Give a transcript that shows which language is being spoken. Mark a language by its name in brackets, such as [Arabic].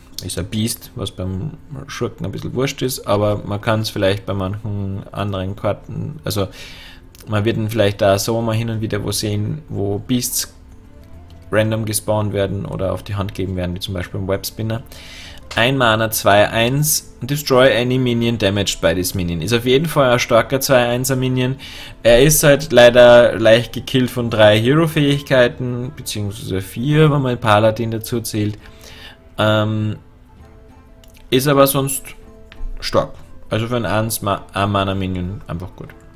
[German] Ist ein Biest, was beim Schurken ein bisschen wurscht ist, aber man kann es vielleicht bei manchen anderen Karten, also man wird ihn vielleicht da so mal hin und wieder wo sehen, wo Beasts random gespawnt werden oder auf die Hand geben werden, wie zum Beispiel im Webspinner. Ein Mana [English] 2-1, destroy any Minion damaged by this Minion. [German] Ist auf jeden Fall ein starker 2-1er Minion. Er ist halt leider leicht gekillt von 3 Hero-Fähigkeiten, beziehungsweise 4, wenn man Paladin dazu zählt. Ist aber sonst stark. Also für einen 1-Mana Minion einfach gut.